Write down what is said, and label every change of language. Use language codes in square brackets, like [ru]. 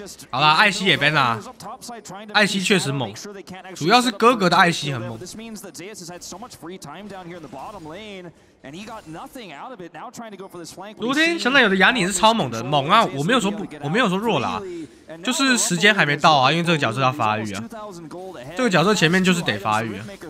[zh] 好啦，艾希也 ban 啦，艾希确实猛，主要是哥哥的艾希很猛。 [en] This means that Zayas has had so much free time down here in the bottom lane, and he got nothing out of it. Now trying to go for this flank. [zh] 昨天小奶油的雅典是超猛的，猛啊！我没有说不，我没有说弱啦，就是时间还没到啊，因为这个角色要发育啊，这个角色前面就是得发育啊。